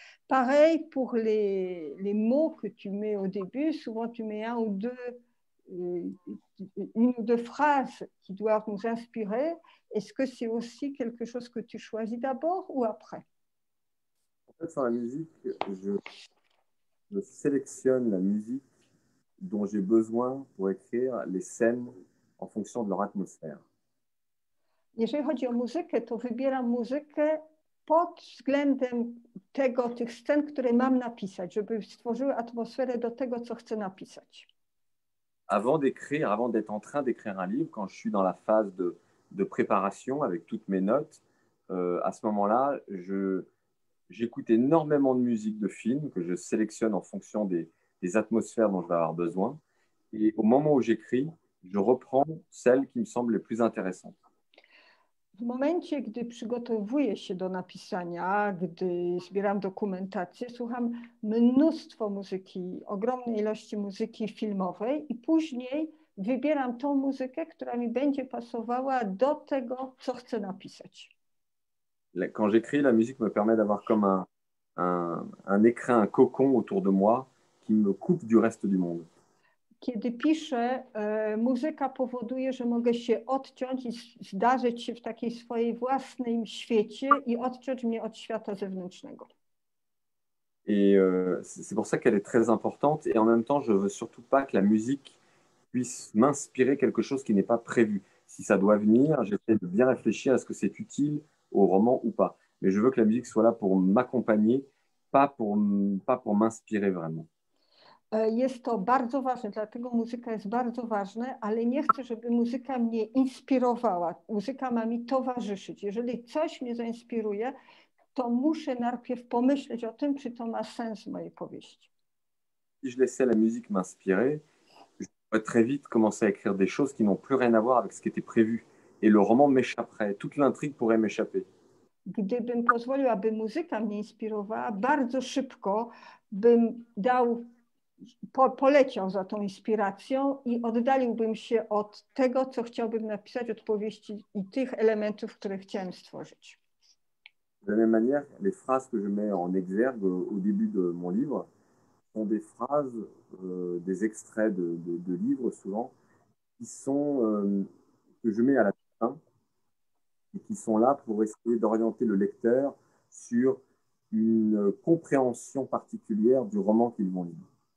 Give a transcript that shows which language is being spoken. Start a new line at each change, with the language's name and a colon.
French: Pareil pour les mots que tu mets au début, souvent tu mets un ou deux une ou deux phrases qui doivent nous inspirer. Est-ce que c'est aussi quelque chose que tu choisis d'abord ou après? En fait, sur la musique, je sélectionne la musique dont j'ai besoin pour écrire les scènes en fonction de leur atmosphère.
Polish: Jeżeli chodzi o muzykę, to wybieram muzykę pod względem tego, tych scen, które mam napisać, żeby stworzyły atmosferę do tego, co chcę napisać.
French: Avant d'écrire, avant d'être en train d'écrire un livre, quand je suis dans la phase de préparation avec toutes mes notes, à ce moment-là, j'écoute énormément de musique de film que je sélectionne en fonction des atmosphères dont je vais avoir besoin. Et au moment où j'écris, je reprends celles qui me semblent les plus intéressantes.
Polish: W momencie, gdy przygotowuję się do napisania, gdy zbieram dokumentację, słucham mnóstwo muzyki, ogromnej ilości muzyki filmowej i później wybieram tą muzykę, która mi będzie pasowała do tego, co chcę napisać.
French: Quand j'écris, la musique me permet d'avoir comme un écrin, un cocon autour de moi qui me coupe du reste du monde.
Polish: Kiedy piszę, muzyka powoduje, że mogę się odciąć i zdarzyć się w takiej swojej własnej świecie i odciąć mnie od świata zewnętrznego.
French: Et c'est pour ça qu'elle est très importante et en même temps je veux surtout pas que la musique puisse m'inspirer quelque chose qui n'est pas prévu. Si ça doit venir, j'essaie de bien réfléchir à ce que c'est utile au roman ou pas. Mais je veux que la musique soit là pour m'accompagner, pas pour m'inspirer vraiment.
Polish: Jest to bardzo ważne, dlatego muzyka jest bardzo ważna, ale nie chcę, żeby muzyka mnie inspirowała. Muzyka ma mi towarzyszyć. Jeżeli coś mnie zainspiruje, to muszę najpierw pomyśleć o tym, czy to ma sens w mojej powieści.
French: Si je laissais la musique m'inspirer, je pourrais très vite commencer à écrire des choses qui n'ont plus rien à voir avec ce qui était prévu. Et le roman m'échapperait, toute l'intrigue pourrait m'échapper.
Polish: Gdybym pozwolił, aby muzyka mnie inspirowała, bardzo szybko bym dał, poleciał za tą inspiracją i oddaliłbym się od tego, co chciałbym napisać, od powieści i tych elementów, które chciałem stworzyć.
French: De la même manière, les phrases que je mets en exergue au début de mon livre sont des phrases, des extraits de livres souvent, qui sont, que je mets à la fin et qui sont là pour essayer d'orienter le lecteur sur une compréhension particulière du roman qu'ils vont lire.